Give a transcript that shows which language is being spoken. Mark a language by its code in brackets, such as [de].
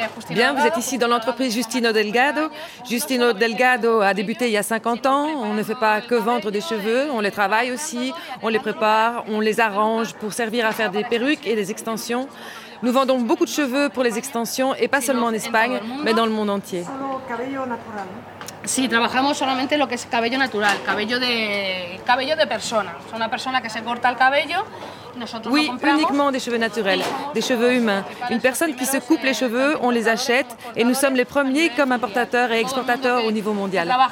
[fr] Bien, vous êtes ici dans l'entreprise Justino Delgado. Justino Delgado a débuté il y a 50 ans. On ne fait pas que vendre des cheveux, on les travaille aussi, on les prépare, on les arrange pour servir à faire des perruques et des extensions. Nous vendons beaucoup de cheveux pour les extensions, et pas seulement en Espagne, mais dans le monde entier. [es] Sí, trabajamos solamente lo que es cabello natural, cabello de persona. Es una persona que se corta el cabello. [fr] Oui, uniquement des cheveux naturels, des cheveux humains. Une personne qui se coupe les cheveux, on les achète et nous sommes les premiers comme importateurs et exportateurs au niveau mondial.